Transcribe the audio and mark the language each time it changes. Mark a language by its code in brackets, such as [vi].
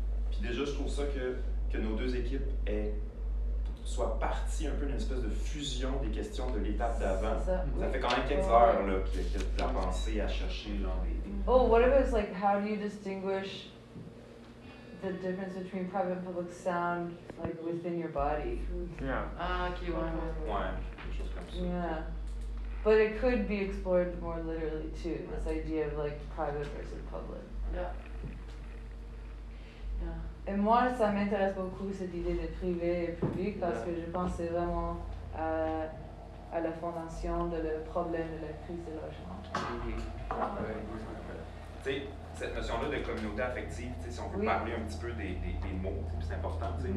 [fr] Puis déjà, je trouve ça que nos deux équipes soient parties un peu d'une espèce de fusion des questions de l'étape d'avant. Ça fait quand même quelques heures là, que tu as pensé à chercher. [en] Oh, what if it's like, how do you distinguish the difference between private and public sound, like within your body? Yeah. But it could be explored more literally too, this idea of like private versus public. Yeah. [fr] Et moi, ça m'intéresse beaucoup cette idée de privé et public parce que je pense que c'est vraiment à la fondation de le problème de la crise de logement. Tu sais, cette notion-là de communauté affective, si on veut parler un petit peu des mots, c'est important.